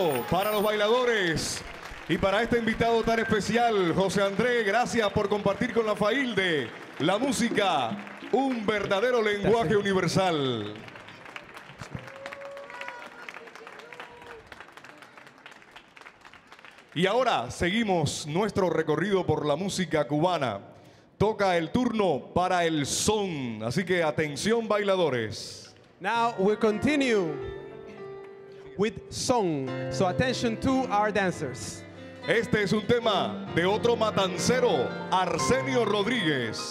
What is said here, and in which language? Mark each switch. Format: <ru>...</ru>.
<es>Para los bailadores y para este invitado tan especial, José Andrés, gracias por compartir con la Failde la música, un verdadero lenguaje universal. Y ahora seguimos nuestro recorrido por la música cubana. Toca el turno para el son, así que atención, bailadores.</es> <en>Now we continue with song, so attention to our dancers.</en> <es>Este es un tema de otro matancero, Arsenio Rodríguez.</es>